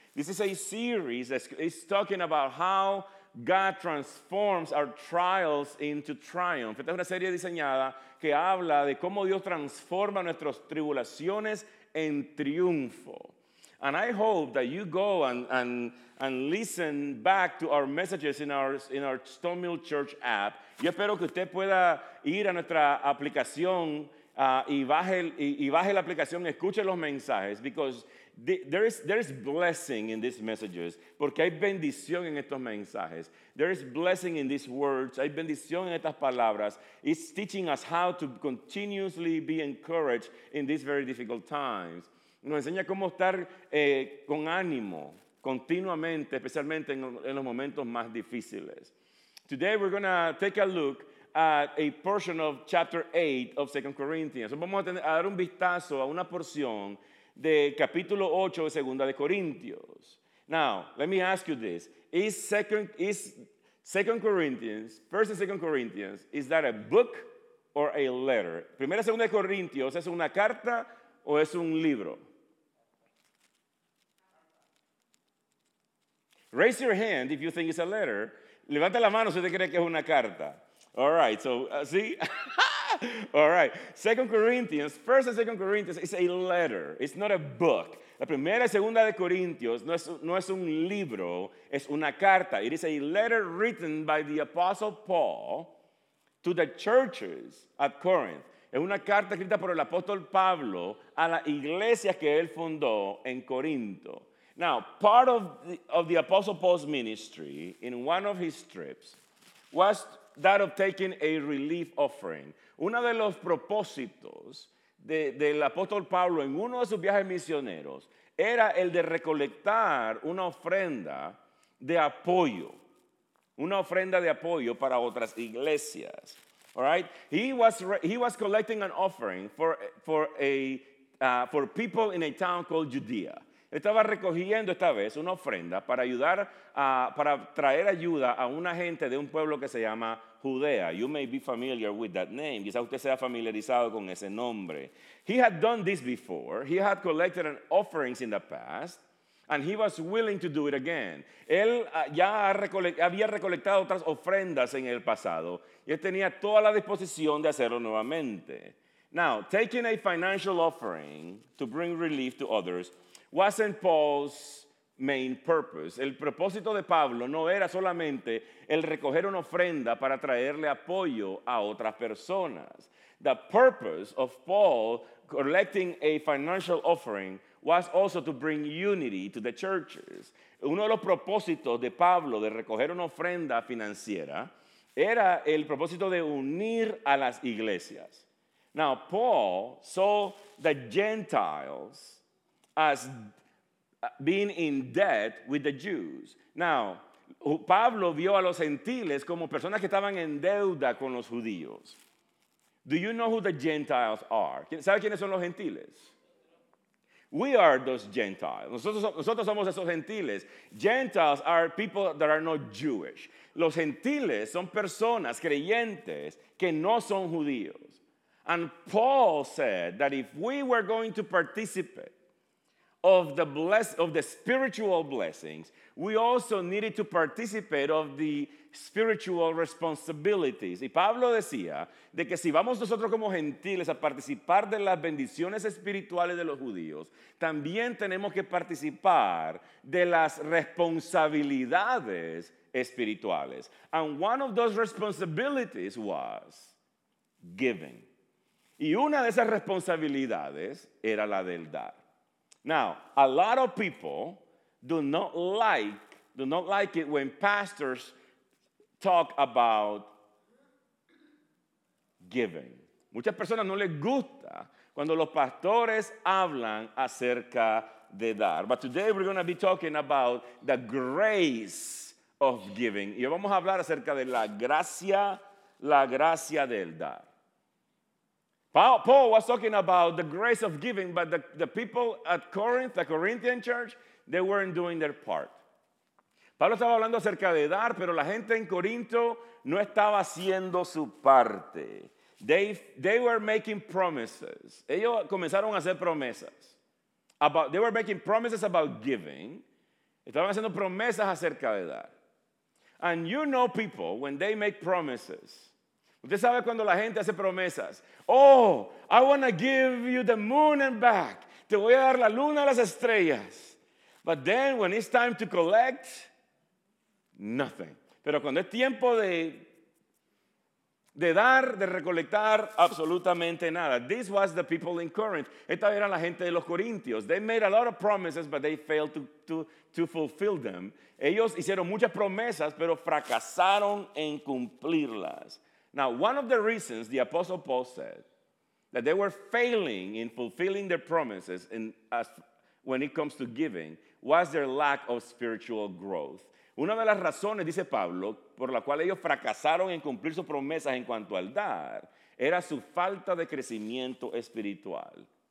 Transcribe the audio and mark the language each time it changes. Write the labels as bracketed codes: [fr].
[en] This is a series that is talking about how God transforms our trials into triumph. [es] Esta es una serie diseñada que habla de cómo Dios transforma nuestras tribulaciones en triunfo. [en] And I hope that you go and listen back to our messages in our Stone Mill Church app. [es] Yo espero que usted pueda ir a nuestra aplicación y baje la aplicación y escuche los mensajes, [en] because there is blessing in these messages, [es] porque hay bendición en estos mensajes. [en] There is blessing in these words, [es] hay bendición en estas palabras. [en] It's teaching us how to continuously be encouraged in these very difficult times. [es] Nos enseña cómo estar con ánimo continuamente, especialmente en los momentos más difíciles. [en] Today we're going to take a look at a portion of chapter 8 of 2 Corinthians. [es] So vamos a dar un vistazo a una porción de capítulo 8 de 2 de Corintios. [en] Now, let me ask you this. Is 2 Corinthians, 1 and 2 Corinthians, is that a book or a letter? [es] Primera y segunda de Corintios, ¿es una carta o es un libro? [en] Raise your hand if you think it's a letter. [es] Levanta la mano si usted cree que es una carta. [en] All right, so, see? All right. 2 Corinthians, 1 and 2 Corinthians is a letter. It's not a book. [es] La primera y segunda de Corintios no es un libro, es una carta. [en] It is a letter written by the Apostle Paul to the churches at Corinth. [es] Es una carta escrita por el apóstol Pablo a las iglesias que él fundó en Corinto. [en] Now, part of the Apostle Paul's ministry in one of his trips was that of taking a relief offering. [es] Uno de los propósitos del apóstol Pablo en uno de sus viajes misioneros era el de recolectar una ofrenda de apoyo, una ofrenda de apoyo para otras iglesias. [en] All right? He was collecting an offering for people in a town called Judea. [es] Estaba recogiendo esta vez una ofrenda para ayudar para traer ayuda a una gente de un pueblo que se llama Judea. [en] You may be familiar with that name. [es] Quizá usted sea familiarizado con ese nombre. [en] He had done this before. He had collected an offerings in the past, and he was willing to do it again. [es] Él ya había recolectado otras ofrendas en el pasado, y él tenía toda la disposición de hacerlo nuevamente. [en] Now, taking a financial offering to bring relief to others wasn't Paul's main purpose. [es] El propósito de Pablo no era solamente el recoger una ofrenda para traerle apoyo a otras personas. [en] The purpose of Paul collecting a financial offering was also to bring unity to the churches. [es] Uno de los propósitos de Pablo de recoger una ofrenda financiera era el propósito de unir a las iglesias. [en] Now, Paul saw the Gentiles as being in debt with the Jews. [es] Now, Pablo vio a los gentiles como personas que estaban en deuda con los judíos. [en] Do you know who the Gentiles are? [es] ¿Sabe quiénes son los gentiles? [en] We are those Gentiles. [es] Nosotros somos esos gentiles. [en] Gentiles are people that are not Jewish. [es] Los gentiles son personas creyentes que no son judíos. [en] And Paul said that if we were going to participate of the spiritual blessings, we also needed to participate of the spiritual responsibilities. [es] Y Pablo decía de que si vamos nosotros como gentiles a participar de las bendiciones espirituales de los judíos, también tenemos que participar de las responsabilidades espirituales. [en] And one of those responsibilities was giving. [es] Y una de esas responsabilidades era la del dar. [en] Now, a lot of people do not like it when pastors talk about giving. [es] Muchas personas no les gusta cuando los pastores hablan acerca de dar. [en] But today we're going to be talking about the grace of giving. [es] Y vamos a hablar acerca de la gracia del dar. [en] Paul was talking about the grace of giving, but the people at Corinth, the Corinthian church, they weren't doing their part. [es] Pablo estaba hablando acerca de dar, pero la gente en Corinto no estaba haciendo su parte. [en] They were making promises. [es] Ellos comenzaron a hacer promesas. [en] They were making promises about giving. [es] Estaban haciendo promesas acerca de dar. [en] And you know people, when they make promises. [es] Usted sabe cuando la gente hace promesas. [en] Oh, I want to give you the moon and back. [es] Te voy a dar la luna y las estrellas. [en] But then when it's time to collect, nothing. [es] Pero cuando es tiempo de dar, de recolectar, absolutamente nada. [en] This was the people in Corinth. [es] Esta era la gente de los Corintios. [en] They made a lot of promises, but they failed to fulfill them. [es] Ellos hicieron muchas promesas, pero fracasaron en cumplirlas. [en] Now, one of the reasons the Apostle Paul said that they were failing in fulfilling their promises when it comes to giving was their lack of spiritual growth. [es] Una de las razones, dice Pablo, por la cual ellos fracasaron en cumplir sus promesas en cuanto al dar, era su falta de crecimiento espiritual.